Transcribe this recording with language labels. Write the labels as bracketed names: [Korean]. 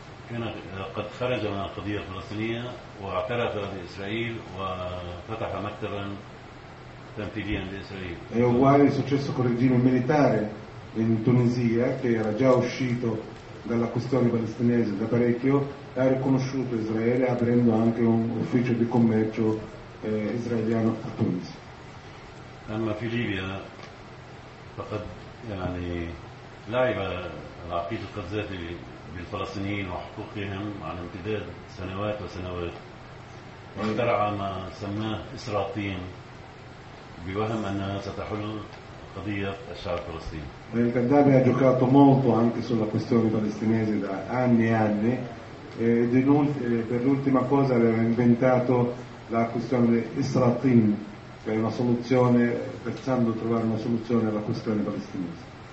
[Arabic] كان قد خرج من القضية الفلسطينية واعترف بإسرائيل وفتح مكتبا تنفيذيا لإسرائيل. [Italian] È uguale il successo con il regime militare in Tunisia che era già uscito dalla questione palestinese da parecchio e ha riconosciuto Israele aprendo anche un ufficio di commercio israeliano a Tunisi. [Arabic] أما في ليبيا فقد يعني لعب العقيد القذافي بالفلسطينيين وحقوقهم على امتداد سنوات وسنوات واخترع ما سماه إسرائيل بوهم أنها ستحل قضية الشعب الفلسطيني. [Italian] القذافي ha giocato molto anche sulla questione palestinese da anni e anni ed per l'ultima cosa aveva inventato la questione Israel per una soluzione pensando di trovare una soluzione alla questione palestinese.